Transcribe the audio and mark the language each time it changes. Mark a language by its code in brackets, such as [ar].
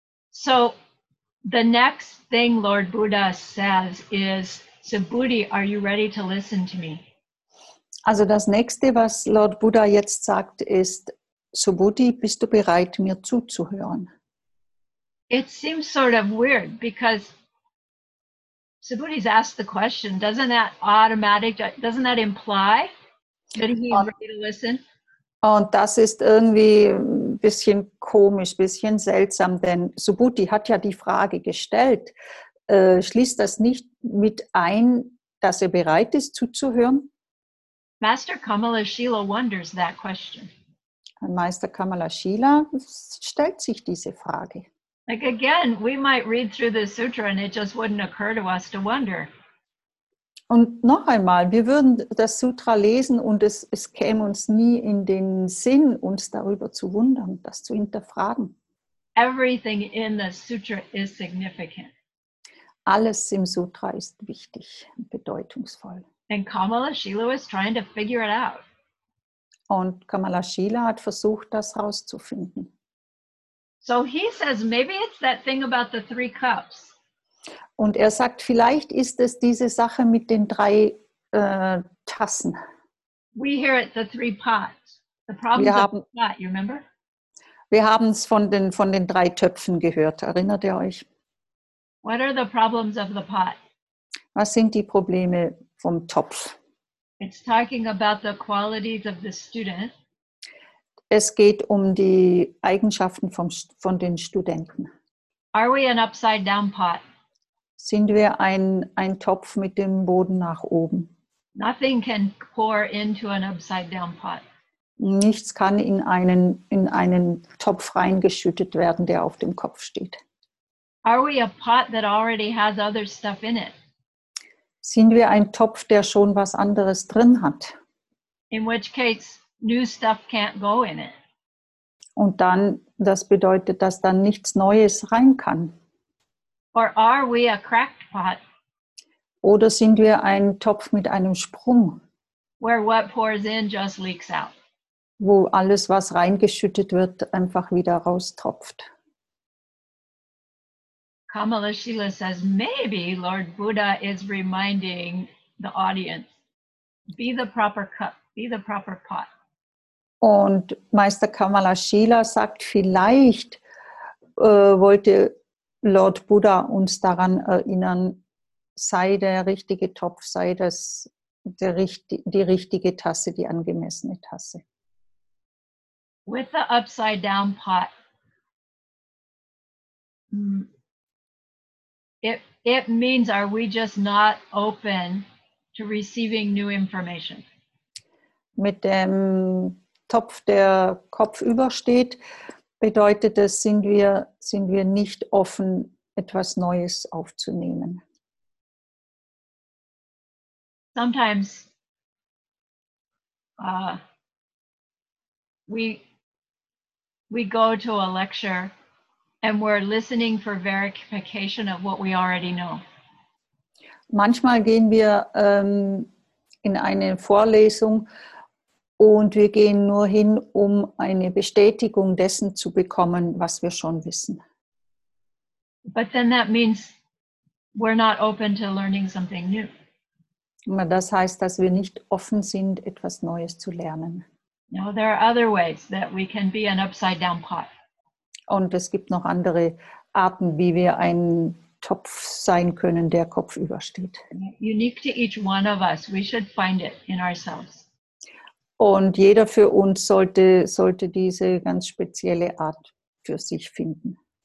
[en] So the next thing Lord Buddha says is, Subhuti, are you ready to listen to me? [de] Also das nächste, was Lord Buddha jetzt sagt, ist, Subhuti, bist du bereit, mir zuzuhören? [en] It seems sort of weird because Subhuti's asked the question, doesn't that imply that he's ready to listen? [de] Und das ist irgendwie ein bisschen komisch, ein bisschen seltsam, denn Subhuti hat ja die Frage gestellt. Schließt das nicht mit ein, dass er bereit ist, zuzuhören? [en] Master Kamala Shila wonders that question. [de] Meister Kamala Shila stellt sich diese Frage. [en] Like again, we might read through the sutra and it just wouldn't occur to us to wonder. [de] Und noch einmal, wir würden das Sutra lesen und es käme uns nie in den Sinn, uns darüber zu wundern, das zu hinterfragen. [en] Everything in the sutra is significant. [de] Alles im Sutra ist wichtig, bedeutungsvoll. [en] And Kamala Shila was trying to figure it out. [de] Und Kamala Shila hat versucht, das herauszufinden. [en] So he says, maybe it's that thing about the three cups. [de] Und er sagt, vielleicht ist es diese Sache mit den drei Tassen. [en] We hear it, the three pots. The problem is the pot, you remember? [de] Wir haben es von den drei Töpfen gehört, erinnert ihr euch? [en] What are the problems of the pot? [de] Was sind die Probleme vom Topf? [en] It's talking about the qualities of the student. [de] Es geht um die Eigenschaften von den Studenten. [en] Are we an upside down pot? [de] Sind wir ein Topf mit dem Boden nach oben? [en] Nothing can pour into an upside down pot. [de] Nichts kann in einen Topf reingeschüttet werden, der auf dem Kopf steht. [en] Are we a pot that already has other stuff in it? [de] Sind wir ein Topf, der schon was anderes drin hat? [en] In which case new stuff can't go in it. [de] Und dann, das bedeutet, dass dann nichts Neues rein kann. [en] Or are we a cracked pot? [de] Oder sind wir ein Topf mit einem Sprung? [en] Where what pours in just leaks out. [de] Wo alles, was reingeschüttet wird, einfach wieder raustropft. [en] Kamala Shila says, maybe Lord Buddha is reminding the audience, be the proper cup, be the proper pot. [de] Und Meister Kamala Shila sagt, vielleicht wollte Lord Buddha uns daran erinnern, sei der richtige Topf, sei das die richtige Tasse, die angemessene Tasse. [en] With the upside down pot, it means, are we just not open to receiving new information? [de] Mit dem Topf, der Kopf übersteht, bedeutet es, sind wir nicht offen, etwas Neues aufzunehmen. [en] Sometimes we go to a lecture and we're listening for verification of what we already know. [de] Manchmal gehen wir in eine Vorlesung und wir gehen nur hin, um eine Bestätigung dessen zu bekommen, was wir schon wissen. [en] But then that means we're not open to learning something new. [de] Das heißt, dass wir nicht offen sind, etwas Neues zu lernen. [en] No, there are other ways that we can be an upside down pot. [de] Und es gibt noch andere Arten, wie wir ein Topf sein können, der Kopf übersteht. [en] Unique to each one of us, we should find it in ourselves. [de] Und jeder für uns sollte diese ganz spezielle Art für sich finden.